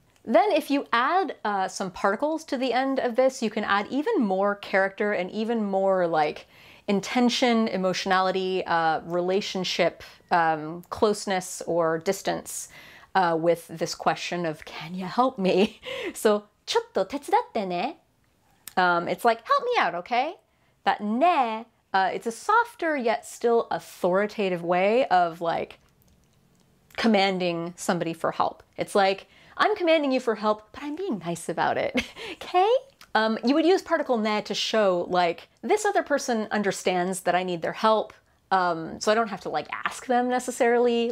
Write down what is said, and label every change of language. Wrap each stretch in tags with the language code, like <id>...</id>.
<en>Then if you add some particles to the end of this, you can add even more character and even more, like, intention, emotionality, relationship, closeness, or distance with this question of, can you help me?</en> <ja>So, ちょっと手伝ってね.</ja> <en>It's like, help me out, okay? That ne, it's a softer yet still authoritative way of like commanding somebody for help. It's like, I'm commanding you for help, but I'm being nice about it, okay? You would use particle ne to show, like, this other person understands that I need their help, so I don't have to, like, ask them necessarily.</en>